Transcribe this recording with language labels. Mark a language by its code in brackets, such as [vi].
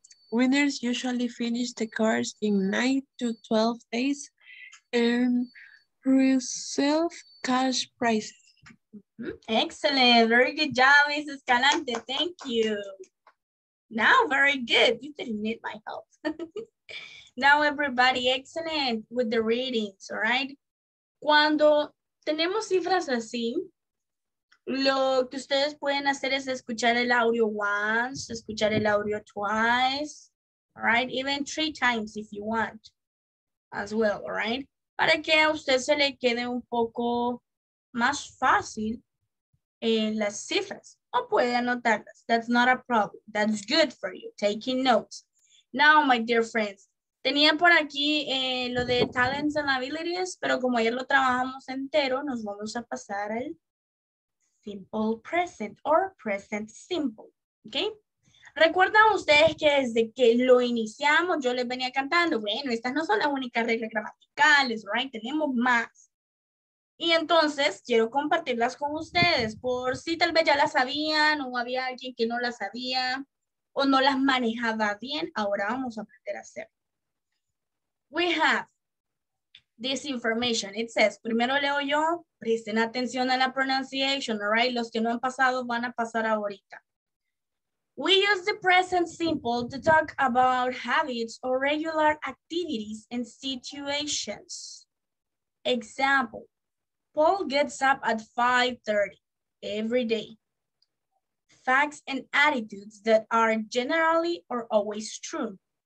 [en] Winners usually finish the course in 9 to 12 days and receive cash prizes. Excellent. Very good job, Mrs. Escalante. Thank you. Now, very good. You didn't need my help. Now, everybody, excellent with the readings, all right? [es] Cuando tenemos cifras así, lo que ustedes pueden hacer es escuchar el audio [en] once, [es] escuchar el audio [en] twice, all right? Even three times if you want as well, all right? [es] Para que a usted se le quede un poco más fácil las cifras, o puede anotarlas. [en] That's not a problem. That's good for you, taking notes. Now, my dear friends, [es] tenía por aquí lo de [en] talents and abilities, [es] pero como ayer lo trabajamos entero, nos vamos a pasar al [en] simple present or present simple, okay? [es] ¿Recuerdan ustedes que desde que lo iniciamos, yo les venía cantando, bueno, estas no son las únicas reglas gramaticales, [en] right? [es] Tenemos más. Y entonces quiero compartirlas con ustedes por si tal vez ya las sabían o había alguien que no las sabía o no las manejaba bien. Ahora vamos a aprender a hacer. [en] We have this information. It says, [es] primero leo yo, presten atención a la pronunciation, [en] all right? [es] Los que no han pasado van a pasar ahorita. [en] We use the present simple to talk about habits or regular activities and situations. Example, Paul gets up at 5:30 every day. Facts and attitudes that are generally or always true.